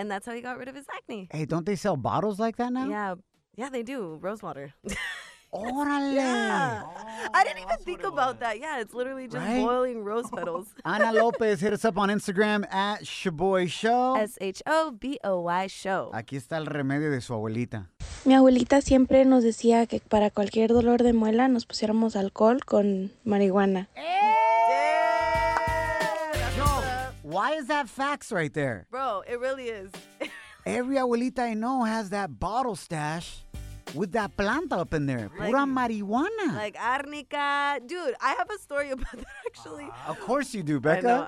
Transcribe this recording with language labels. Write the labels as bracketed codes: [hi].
[en] And that's how he got rid of his acne. Hey, don't they sell bottles like that now? Yeah, they do. Rose water. [es] Orale. [en] Yeah. Oh, I didn't even think about that. Yeah, it's literally just right? boiling rose petals. Ana Lopez, hit us up on Instagram at Shaboy Show. S-H-O-B-O-Y Show. [es] Aquí está el remedio de su abuelita. Mi abuelita siempre nos decía que para cualquier dolor de muela nos pusiéramos alcohol con marihuana. [en] Yeah. Yo, why is that facts right there? Bro, it really is. Every abuelita I know has that bottle stash with that planta up in there. [es] Pura like, marijuana. [en] Like arnica. Dude, I have a story about that, actually. Of course you do, Becca.